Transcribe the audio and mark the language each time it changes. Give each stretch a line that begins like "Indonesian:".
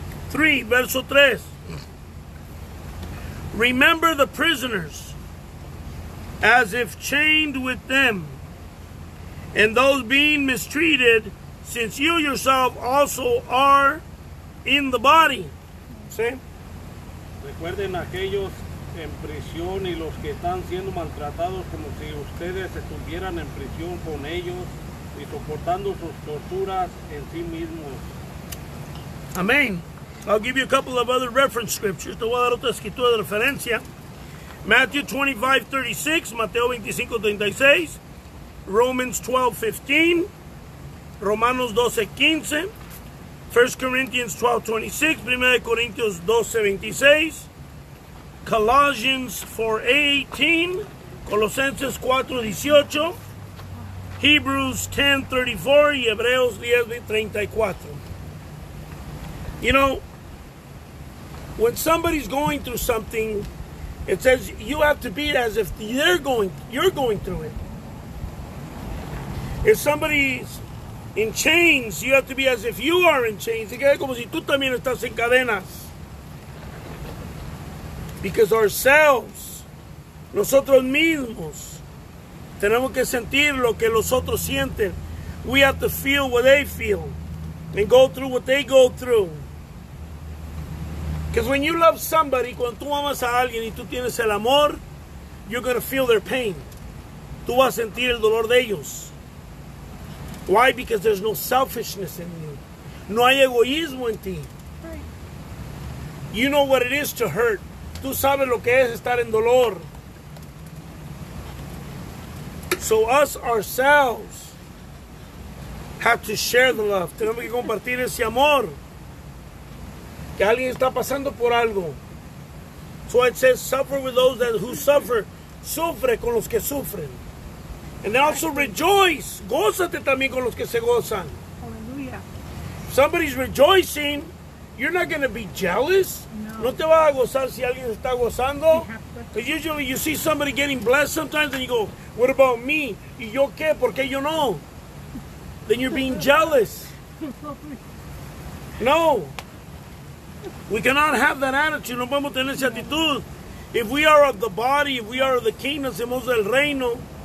Spanish: 3, verso 3.
English: Remember the prisoners as if chained with them, and those being mistreated, since you yourself also are in the body. See?
Spanish: Recuerden aquellos en prisión y los que están siendo maltratados como si ustedes estuvieran en prisión con ellos y soportando sus torturas en sí mismos. Amén.
English: I'll give you a couple of other reference scriptures.
Spanish: Te voy a dar otra escritura de referencia.
English: Matthew 25, 36. Mateo 25, 36. Romans 12, 15. Romanos 12, 15. 1 Corinthians 12, 26. 1 Corinthians 12, 26. Colossians 4, 18. Colosenses 4, 18. Hebrews 10, 34. Y Hebreos 10, 34. You know, when somebody's going through something, it says you have to be as if you're going through it. If somebody's in chains, you have to be as if you are in chains.
Spanish: Se queda como si tú también estás en cadenas.
English: Because ourselves,
Spanish: nosotros mismos, tenemos que sentir lo que los otros sienten.
English: We have to feel what they feel and go through what they go through. Because when you love somebody,
Spanish: cuando tú amas a alguien y tú tienes el amor,
English: you're going to feel their pain.
Spanish: Tú vas a sentir el dolor de ellos.
English: Why? Because there's no selfishness in you.
Spanish: No hay egoísmo en ti.
English: Right. You know what it is to hurt.
Spanish: Tú sabes lo que es estar en dolor.
English: So us ourselves have to share the love.
Spanish: Tenemos que compartir ese amor. Que alguien está pasando por algo.
English: So it says, suffer with those that who suffer.
Spanish: Sufre con los que sufren.
English: And they also rejoice.
Spanish: Gózate también con los que se gozan.
English: Hallelujah. Somebody's rejoicing. You're not going to be jealous. No.
Spanish: No te vas a gozar si alguien está gozando.
English: Because usually you see somebody getting blessed sometimes and you go, what about me?
Spanish: ¿Y yo qué? ¿Por qué yo no?
English: Then you're being jealous. No. We cannot have that attitude.
Spanish: No podemos tener esa actitud.
English: If we are of the body, if we are of the kingdom,
Spanish: hacemos del reino.